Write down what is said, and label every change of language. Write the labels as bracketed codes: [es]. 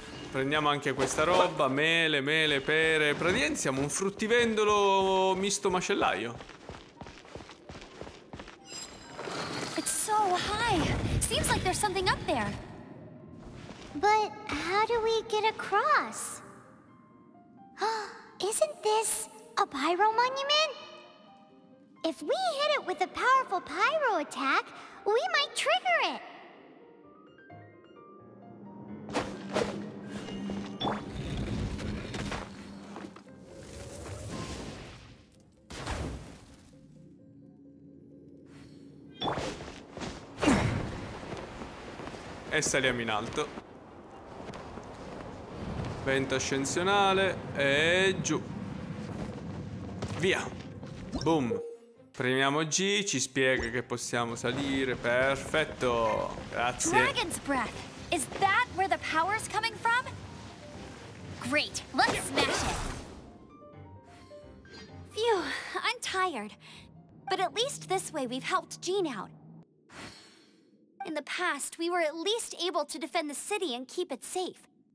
[it] prendiamo anche questa roba, mele, mele, pere. Praticamente siamo un fruttivendolo misto macellaio. [en] It's so high. Seems like there's something up there. But how do we get across? Isn't this a pyro monument? If we hit it with a powerful pyro attack, we might trigger it. [it] E saliamo in alto. Vento ascensionale e giù. Via. Boom. Premiamo G, ci spiega che possiamo salire. Perfetto. Grazie. [en] Dragon's breath. Is that where the power's coming from? Great. Let's smash it. Phew, I'm tired. But at least this way we've helped Jean out. In the past, we were at least able to defend the city and keep it safe.